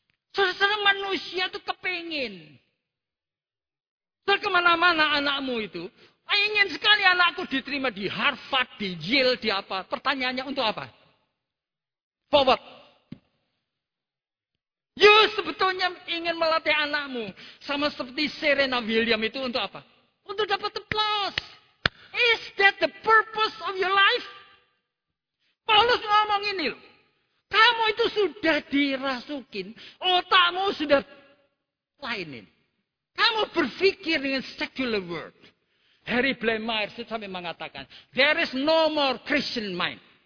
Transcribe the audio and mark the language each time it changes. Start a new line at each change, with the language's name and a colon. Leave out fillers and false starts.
Indonesian: Saudara manusia itu kepengen. Kemana-mana anakmu itu. Ingin sekali anakku diterima di Harvard, di Yale, di apa. Pertanyaannya untuk apa? Forward. You sebetulnya ingin melatih anakmu. Sama seperti Serena Williams itu untuk apa? Untuk dapat applause.
English: Is that the purpose of your life?
Indonesian: Paulus ngomong ini. Kamu itu sudah dirasukin. Otakmu sudah lainin. Kamu berpikir dengan
English: secular world.
Indonesian: Harry Blamire sampai mengatakan.
English: There is no more Christian mind.